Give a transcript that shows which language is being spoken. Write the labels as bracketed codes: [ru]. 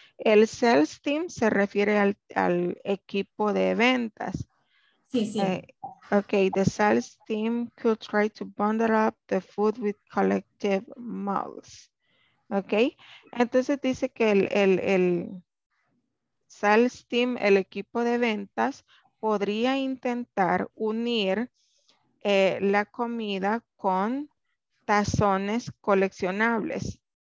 [es] El sales team se refiere al equipo de ventas. Sí, sí. [en] Okay, the sales team could try to bundle up the food with collective malls. [es] Okay, entonces dice que el sales team, el equipo de ventas, podría intentar unir la comida con tazones coleccionables.